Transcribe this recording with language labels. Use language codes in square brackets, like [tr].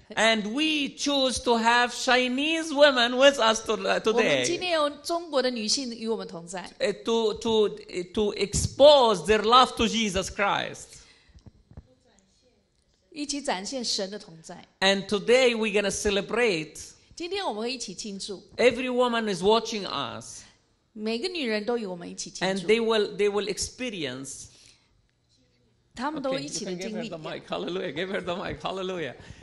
[en] And we choose to have Chinese women with us today. [zh] 我们今天有中国的女性与我们同在。 [en] To expose their love to Jesus Christ. [zh] 一起展现神的同在。 [en] And today we're going to celebrate. [zh] 今天我们会一起庆祝。 [en] Every woman is watching us. [zh] 每个女人都与我们一起庆祝。 [en] And they will experience. [zh] 他们都一起的经历。 [en] Give her the mic, hallelujah, give her the mic, hallelujah.